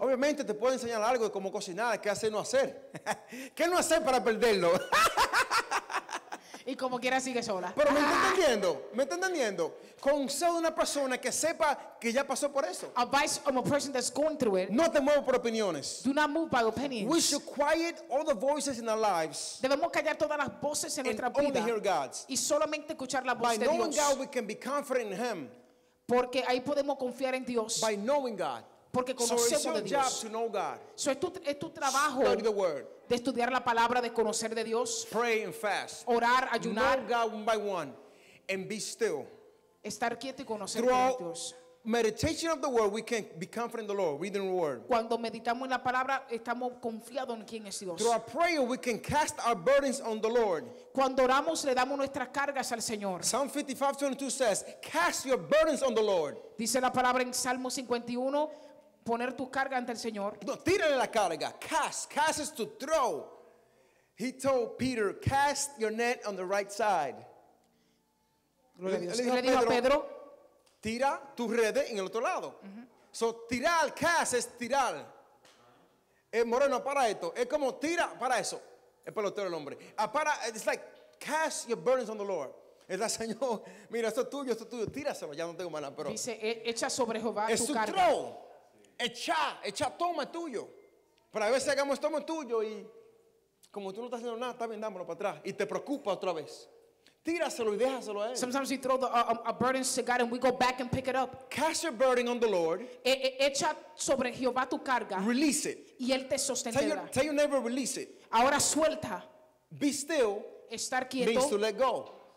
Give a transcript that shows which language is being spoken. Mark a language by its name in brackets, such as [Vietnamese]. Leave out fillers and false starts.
[Spanish] Obviamente te puedo enseñar algo de cómo cocinar, qué hacer, no hacer. ¿Qué no hacer para perderlo? Y como quiera sigue sola. Pero me está entendiendo. Me está entendiendo. Consejo de una persona que sepa que ya pasó por eso. [English] Advice of a person that's going through it. [Spanish] No te muevas por opiniones. [English] Do not move by opinions. We should quiet all the voices in our lives. [Spanish] Debemos callar todas las voces en nuestra vida. [English] And only hear God's. [Spanish] Y solamente escuchar la voz [English] by [Spanish] de Dios. [English] By knowing God we can be confident in Him. [Spanish] Porque ahí podemos confiar en Dios. [English] By knowing God. [Spanish] Porque conocemos de Dios. [English] So it's your job to know God. So [Spanish] es tu trabajo. [English] Study the word. [Spanish] De estudiar la palabra, de conocer de Dios. [English] Pray and fast. [Spanish] Orar, ayunar. [English] Know God one by one and be still. [Spanish] Estar quieto y conocer [English] throughout [Spanish] de Dios. [English] Meditation of the word, we can be confident in the Lord, reading the word. [Spanish] Cuando meditamos en la palabra, estamos confiados en quién es Dios. [English] Through our prayer, we can cast our burdens on the Lord. [Spanish] Cuando oramos, le damos nuestras cargas al Señor. [English] Psalm 55:22 says, "Cast your burdens on the Lord." [Spanish] Dice la palabra en Salmo 51. Poner tus cargas ante el Señor. No, tírale la carga. [English] Cast is to throw. He told Peter, cast your net on the right side. [Spanish] Gloria a Dios. Le dijo a Pedro, tira tu red en el otro lado. So, tirar, cast es tirar. Moreno, para esto. Es como tira, para eso. Es pelotero el hombre. [English] It's like, cast your burdens on the Lord. [Spanish] Es la Señor, mira, esto es tuyo. Tíraselo, ya no tengo maná, pero. Dice, echa sobre Jehová tu carga. Es [English] to throw. [Spanish] Echa, toma tuyo. Pero a veces hagamos toma tuyo y como tú no estás haciendo nada, está bien, dámelo para atrás. Y te preocupa otra vez. Tíraselo y déjaselo a él. [English] Sometimes we throw a burden to God and we go back and pick it up. Cast your burden on the Lord. [Spanish] Echa sobre Jehová tu carga. [English] Release it. [Spanish] Y él te sostendrá. [English] Tell your neighbor, release it. [Spanish] Ahora suelta. [English] Be still. [Spanish] Estar quieto. [English] Means to let go.